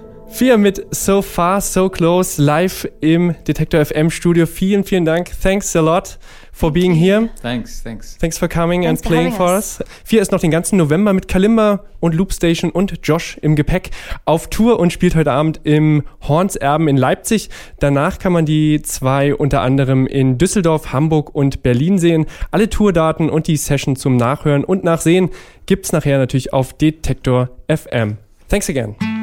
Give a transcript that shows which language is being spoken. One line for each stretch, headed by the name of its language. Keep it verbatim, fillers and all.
German: Vier mit So Far, So Close live im Detektor F M Studio. Vielen, vielen Dank.
English: Thanks a lot for being here. Thanks, thanks. Thanks for coming thanks and playing for us. us.
German: Vier ist noch den ganzen November mit Kalimba und Loopstation und Josh im Gepäck auf Tour und spielt heute Abend im Horns Erben in Leipzig. Danach kann man die zwei unter anderem in Düsseldorf, Hamburg und Berlin sehen. Alle Tourdaten und die Session zum Nachhören und Nachsehen gibt's nachher natürlich auf Detektor F M.
English: Thanks again.